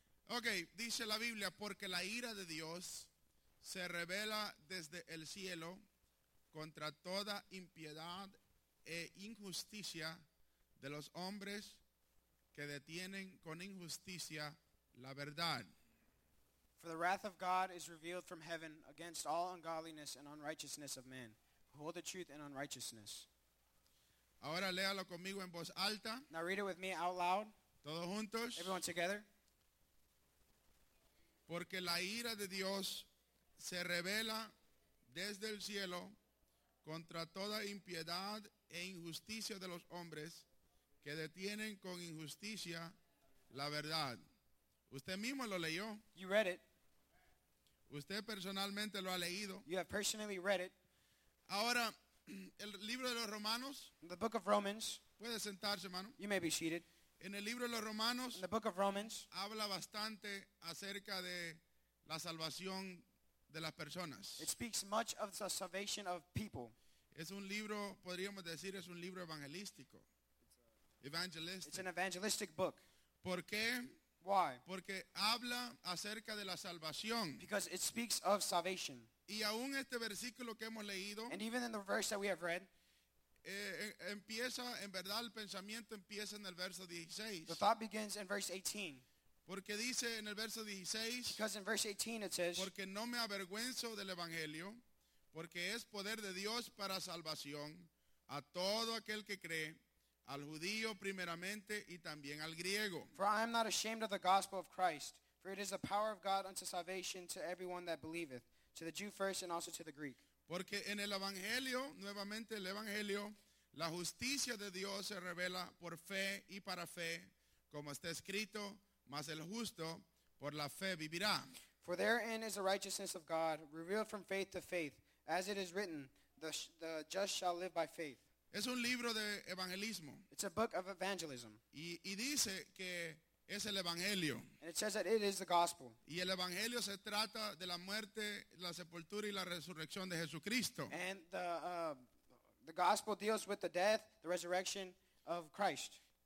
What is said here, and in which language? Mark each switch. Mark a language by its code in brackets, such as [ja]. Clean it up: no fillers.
[es] Okay, dice la Biblia, porque la ira de Dios se revela desde el cielo contra toda impiedad e injusticia de los hombres que detienen con injusticia la verdad. [en] For the wrath of God is revealed from heaven against all ungodliness and unrighteousness of men who hold the truth in unrighteousness. [es] Ahora léalo conmigo en voz alta. [en] Now read it with me out loud. [es] Todos juntos. [en] Everyone together. [es] Porque la ira de Dios se revela desde el cielo contra toda impiedad e injusticia de los hombres que detienen con injusticia la verdad. Usted mismo lo leyó. [en] You read it. [es] Usted personalmente lo ha leído. [en] You have personally read it. [es] Ahora, el libro de los Romanos. [en] The book of Romans. [es] Puede sentarse, hermano. [en] You may be seated. [es] En el libro de los Romanos. [en] In the book of Romans. [es] Habla bastante acerca de la salvación de las personas. [en] It speaks much of the salvation of people. [es] Es un libro, podríamos decir, es un libro evangelístico. [en] Evangelistic. It's an evangelistic book. [es] ¿Por qué? [en] Why? [es] Porque habla acerca de la salvación. [en] Because it speaks of salvation. [es] Y aún este versículo que hemos leído, [en] and even in the verse that we have read, [es] empieza, en verdad, el pensamiento empieza en el verso 16. [en] The thought begins in verse 18. [es] Porque dice en el verso 16, [en] because in verse 18 it says, [es] porque no me avergüenzo del evangelio, porque es poder de Dios para salvación a todo aquel que cree, al judío primeramente y también al griego. [en] For I am not ashamed of the gospel of Christ, for it is the power of God unto salvation to everyone that believeth, to the Jew first and also to the Greek. [es] Porque en el evangelio, nuevamente el evangelio, la justicia de Dios se revela por fe y para fe, como está escrito, mas el justo por la fe vivirá. [en] For therein is the righteousness of God revealed from faith to faith, as it is written, the just shall live by faith. [es] Es un libro de evangelismo. [en] It's a book of evangelism. [es] Y dice que es el evangelio. [en] And it says that it is the gospel. [es] Y el evangelio se trata de la muerte, la sepultura y la resurrección de Jesucristo. [en] And the gospel deals with the death, the resurrection of Christ.